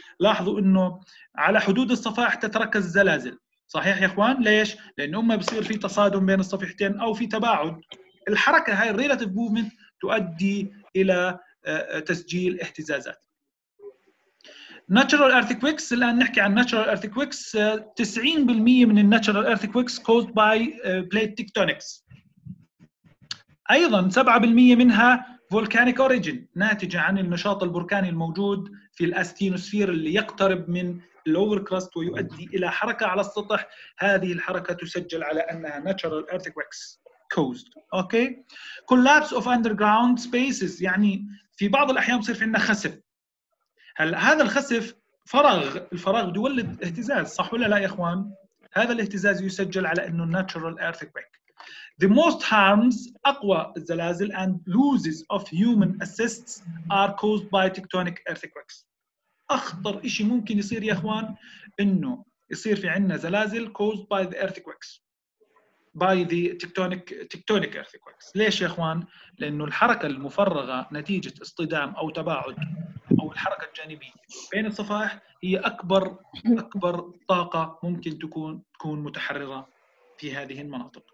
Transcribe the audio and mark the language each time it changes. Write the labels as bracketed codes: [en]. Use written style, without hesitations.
[ar] لاحظوا أنه على حدود الصفائح تتركز الزلازل صحيح يا أخوان؟ ليش؟ لأنه ما بصير في تصادم بين الصفيحتين أو في تباعد الحركة هاي [en] relative movement [ar] تؤدي إلى تسجيل اهتزازات. [en] Natural earthquakes [ar] الآن نحكي عن [en] natural earthquakes. 90% [ar] من [en] natural earthquakes caused by plate tectonics. [ar] أيضاً 7% منها [en] volcanic origin [ar] ناتجة عن النشاط البركاني الموجود في الأستينوسفير اللي يقترب من [en] lower crust [ar] ويؤدي إلى حركة على السطح. هذه الحركة تسجل على أنها [en] natural earthquakes. caused. Okay. Collapse of underground spaces. [ar] يعني في بعض الأحيان بصير في عندنا خسف. هل هذا الخسف فراغ؟ الفراغ يولد اهتزاز. صح ولا لا يا إخوان؟ هذا الاهتزاز يسجل على إنه [en] natural earthquake. The most harms, [ar] أقوى الزلازل [en] and losses of human assets are caused by tectonic earthquakes. [ar] أخطر إشي ممكن يصير يا إخوان إنه يصير في عنا زلازل [en] caused by the earthquakes, by the tectonic earthquakes. [ar] ليش يا إخوان؟ لأنه الحركة المفرغة نتيجة اصطدام أو تباعد أو الحركة الجانبية بين الصفائح هي أكبر طاقة ممكن تكون متحررة في هذه المناطق.